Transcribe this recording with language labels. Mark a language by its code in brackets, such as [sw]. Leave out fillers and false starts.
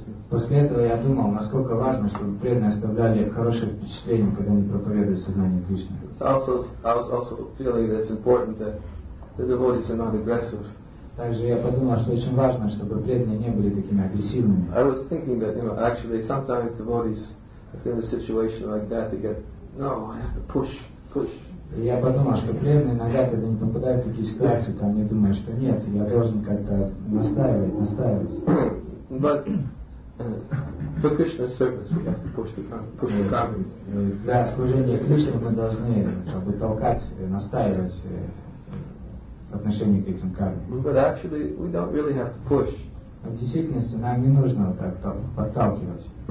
[ru] После этого я думал, насколько важно, чтобы преданные оставляли хорошее впечатление, когда они проповедуют сознание Кришны. [en] I was also feeling that it's important that the devotees are not aggressive. [ru] Также я подумал, что очень важно, чтобы преданные не были такими агрессивными. [en] I was thinking that, you know, actually sometimes devotees, if they're in a situation like that, they get, no, I have to push. [ru] И я подумал, что преданные иногда, когда они попадают в такие ситуации, то они думают, что нет, я должен как-то настаивать. [en] But for Krishna service, we have to push the karmas. [ru] Для служения Кришне мы должны как бы толкать, настаивать в отношении к этим кармам. [en] But actually, we don't really have to push. [ru] Но в действительности нам не нужно вот так подталкивать.